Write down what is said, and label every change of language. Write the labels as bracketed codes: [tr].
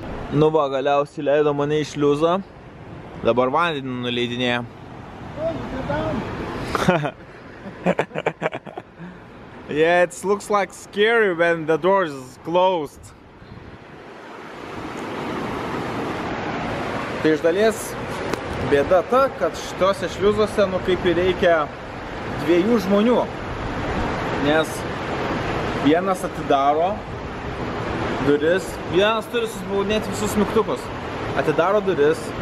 [lt] Nu va, galiausiai leido mane į šliuzą. Dabar vandenį nuleidinėja. [en] Yeah, it looks like scary when the door is closed. [lt] Tai iš dalies bėda ta, kad šitose šliuzuose nu kaip ir reikia dviejų žmonių. Nes vienas atidaro duris, vienas turi susibaudinėti visus mygtukus. Atidaro duris.